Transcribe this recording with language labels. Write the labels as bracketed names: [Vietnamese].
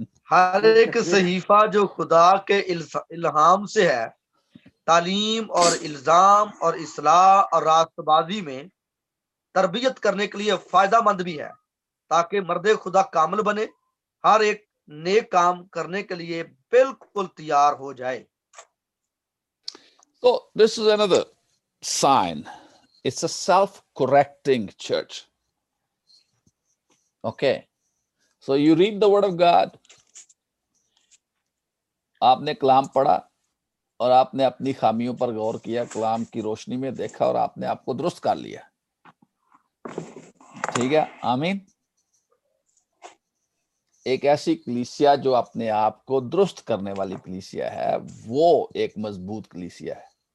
[Urdu] ہر ایک صحیفہ جو خدا کے الہام سے ہے، تعلیم اور الزام اور اصلاح اور راستبازی میں تربیت کرنے کے لیے فائدہ مند بھی ہے، تاکہ مرد خدا کامل بنے، ہر ایک نیک کام کرنے کے لیے بالکل تیار ہو جائے. [English] So this is another sign. It's a self-correcting church. Okay. So you read the word of God. [Urdu] آپ نے کلام پڑھا اور آپ نے اپنی خامیوں پر غور کیا، کلام کی روشنی میں دیکھا اور آپ نے آپ کو درست کر لیا. ٹھیک ہے، آمین. ایک ایسی کلیسیا جو اپنے آپ کو درست کرنے والی کلیسیا ہے، وہ ایک مضبوط کلیسیا ہے.